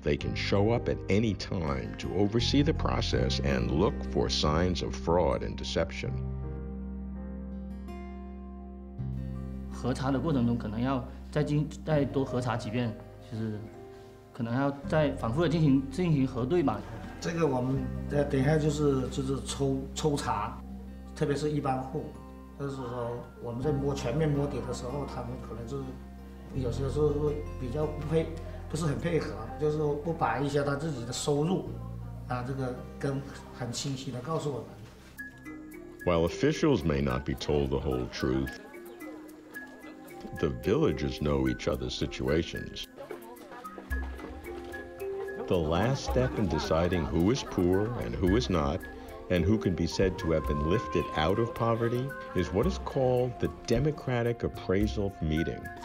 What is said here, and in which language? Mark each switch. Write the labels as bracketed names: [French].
[English] They can show up at any time to oversee the process and look for signs of fraud and deception. [Chinese] 核查的过程中，可能要再多核查几遍，就是。可能要再反复的进行核对吧。这个我们再等一下就是抽查，特别是一般户，就是说我们在摸全面摸底的时候，他们可能就是有些时候比较不是很配合，就是不把一些他自己的收入啊这个跟很清晰的告诉我们。 [English] While officials may not be told the whole truth, the villagers know each other's situations. The last step in deciding who is poor and who is not, and who can be said to have been lifted out of poverty, is what is called the Democratic Appraisal Meeting.